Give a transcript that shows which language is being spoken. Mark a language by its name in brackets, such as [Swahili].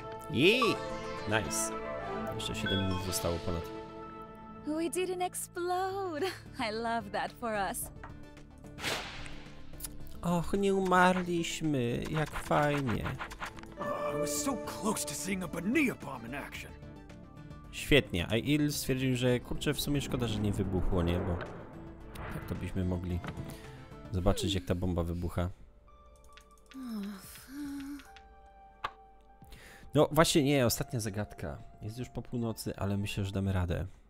[English] Jee! Nice. [Polish] Jeszcze 7 minut zostało ponad. [English] We didn't explode. I love that for us. [Polish] Och, nie umarliśmy, jak fajnie. [English] I was so close to seeing a Banea bomb in action. [Polish] Świetnie. A Il stwierdził, że kurczę, w sumie szkoda, że nie wybuchło, nie? Bo tak to byśmy mogli zobaczyć, jak ta bomba wybucha. No właśnie, nie, ostatnia zagadka. Jest już po północy, ale myślę, że damy radę.